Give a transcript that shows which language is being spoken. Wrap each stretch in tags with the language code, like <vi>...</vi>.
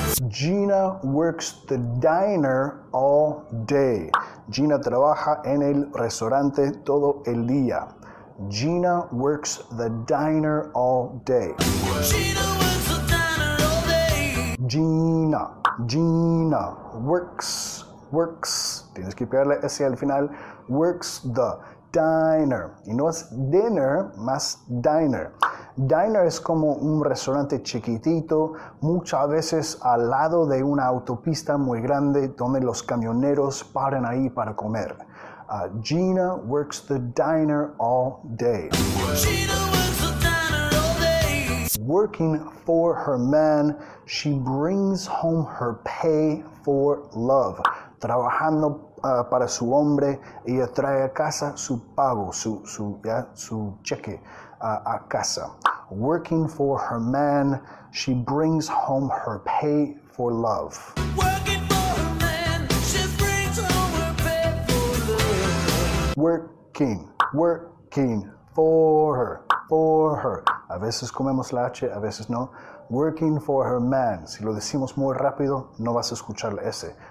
<en>Gina works the diner all day.</en> <es>Gina trabaja en el restaurante todo el día.</es> <en>Gina works the diner all day. Gina works the diner all day. Gina works.</en> <es>Tienes que pegarle ese al final.</es> <en>Works the diner.</en> <es>Y no es dinner, más diner. Diner es como un restaurante chiquitito, muchas veces al lado de una autopista muy grande donde los camioneros paran ahí para comer.</es> <en>Gina works the diner all day. Gina works the diner all day. Working for her man, she brings home her pay for love.</en> <es>Trabajando para su hombre, ella trae a casa su pago, su cheque a casa.</es> <en>Working for her man, she brings home her pay for love. Working for her man, she brings home her pay for love. Working for her.</en> <es>A veces comemos la H, a veces no.</es> <en>Working for her man.</en> <es>Si lo decimos muy rápido, no vas a escuchar la S.</es>